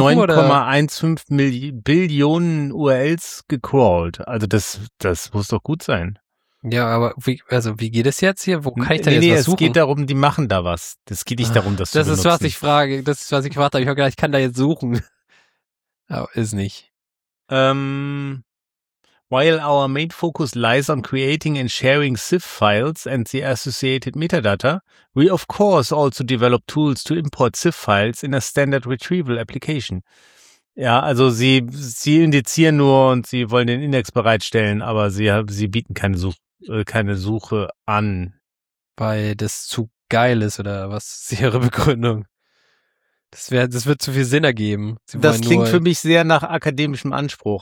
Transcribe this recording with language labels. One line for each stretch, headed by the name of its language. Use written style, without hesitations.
German: 9,15 Billionen URLs gecrawled. Also das muss doch gut sein. Ja, aber wie geht es jetzt hier? Wo kann ich da jetzt was suchen? Es geht darum, die machen da was. Das geht nicht darum, dass du benutzen. Das ist, was ich gefragt habe. Ich habe gedacht, ich kann da jetzt suchen. Aber ist nicht.
English: While our main focus lies on creating and sharing SIF files and the associated metadata, we of course also develop tools to import SIF files in a standard retrieval application.
German: Ja, also sie indizieren nur und sie wollen den Index bereitstellen, aber sie bieten keine Suche an. Weil das zu geil ist, oder was ist ihre Begründung? Das wird zu viel Sinn ergeben. Das klingt für mich sehr nach akademischem Anspruch.